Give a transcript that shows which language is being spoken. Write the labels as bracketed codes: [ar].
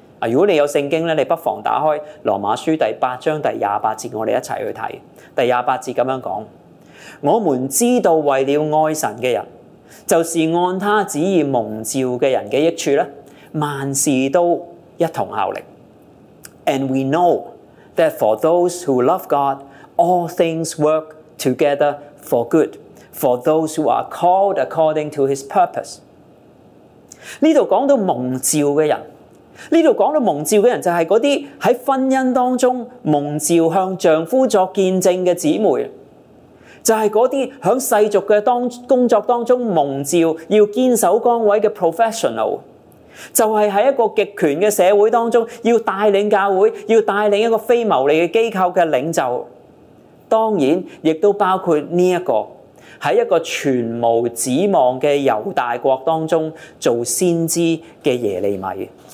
[zh] 如果你有圣经，你不妨打开罗马书第八章第二十八节，我们一起去看。第二十八节这样讲，我们知道为了爱神的人，就是按他旨意蒙召的人的益处，万事都一同效力。 [en] And we know that for those who love God, all things work together for good, for those who are called according to his purpose。 [zh] 这里讲到蒙召的人，这里讲到蒙召的人就是那些在婚姻当中蒙召向丈夫作见证的姊妹。就是那些在世俗的工作当中蒙召要坚守岗位的 professional， 就是在一个极权的社会当中要带领教会，要带领一个非牟利的机构的领袖，当然也都包括这个在一个全无指望的犹大国当中做先知的耶利米。